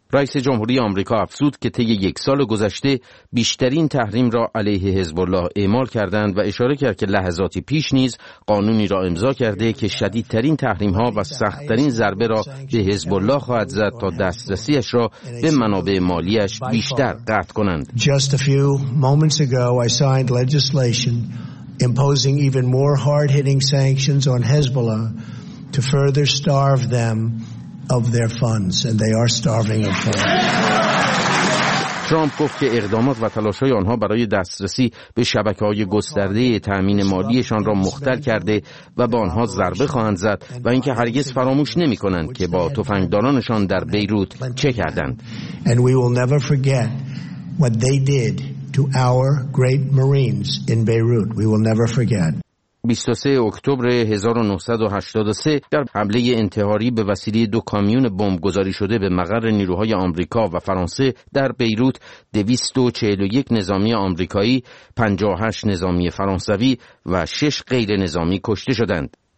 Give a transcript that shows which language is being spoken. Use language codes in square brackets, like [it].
[fa] رئیس جمهوری آمریکا افزود که طی یک سال گذشته بیشترین تحریم را علیه حزب الله اعمال کردند و اشاره کرد که لحظاتی پیش نیز قانونی را امضا کرده که شدیدترین تحریم ها و سختترین ضربه را به حزب الله خواهد زد تا دسترسیش را به منابع مالیش بیشتر قطع کنند. [en] Just a few moments ago I signed legislation imposing even more hard-hitting sanctions on Hezbollah to further starve them of their funds and they are starving of funds. [fa] ترامپ گفت که اقدامات و تلاش‌های آنها برای دسترسی به شبکه‌های گسترده تأمین مالیشان را مختل کرده و به آنها ضربه خواهند زد و اینکه هرگز فراموش نمی‌کنند که با تفنگدارانشان در بیروت چه کردند. [en] And we will never forget what they did to our great Marines in Beirut. We will never forget. [fa] 23 اکتبر 1983 در حمله انتحاری به وسیله دو کامیون بمب‌گذاری شده به مقر نیروهای آمریکا و فرانسه در بیروت 241 نظامی آمریکایی، 58 نظامی فرانسوی و 6 غیر نظامی کشته شدند.